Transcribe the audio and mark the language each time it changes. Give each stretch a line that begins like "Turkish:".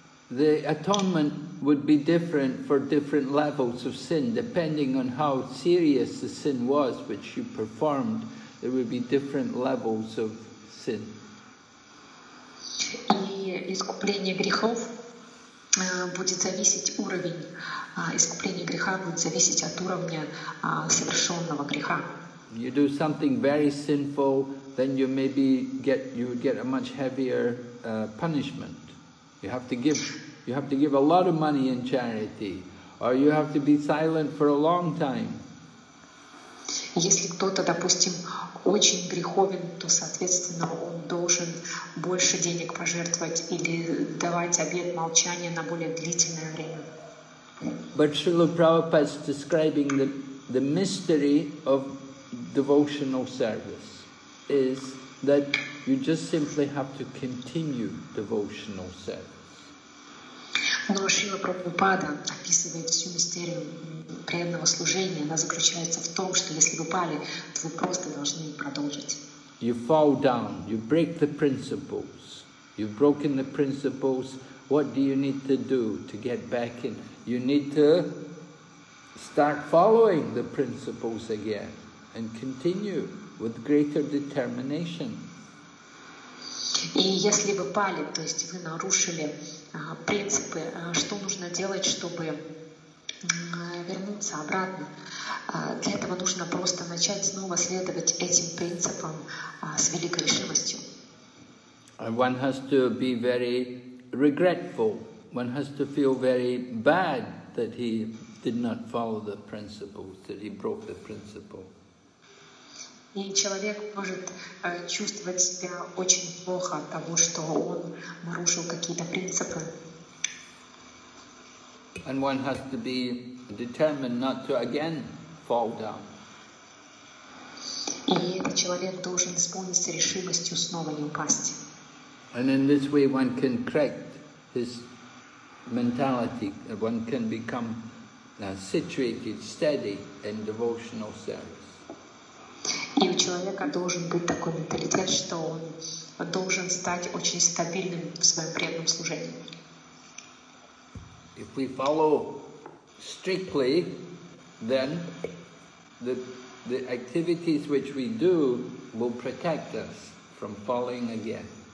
English: The atonement would be different for different levels of sin, depending on how serious the sin was which you performed. There would be different levels of sin.
Russian: И искупление грехов будет зависеть уровень. Искупление греха будет зависеть от уровня совершенного греха.
English: You do something very sinful, then you maybe get a much heavier punishment. You have to give a lot of money in charity, or you have to be silent for a long time.
Russian: Если кто-то, допустим, очень греховен, то, соответственно, он должен больше денег пожертвовать или давать обет молчания на более длительное время.
English: But Srila Prabhupada is describing the mystery of devotional service is that you just simply have to continue devotional service.
Russian: Но Шрила Прабхупада описывает всю мистерию преданного служения. Она заключается в том, что если вы пали, то вы просто должны продолжить.
English: You fall down, you break the principles. You've broken the principles. What do you need to do to get back in? You need to start following the principles again and continue with greater determination.
Russian: И если вы пали, то есть вы нарушили принципы, что нужно делать, чтобы вернуться обратно? Для этого нужно просто начать снова следовать этим принципам с великой решимостью.
English: One has to be very regretful. One has to feel very bad that he did not follow the principles, that he broke the principle.
Russian: И человек может чувствовать себя очень плохо от того, что он нарушил какие-то принципы.
English: And one has to be determined not to again fall down.
Russian: И этот человек должен исполниться решимостью снова не упасть.
English: And in this way one can correct his mentality, one can become situated, steady in devotional service.
Russian: И у человека должен быть такой менталитет, что он должен стать очень стабильным в своем преданном служении.
English: If we follow strictly, then the activities which we do will protect us from falling again.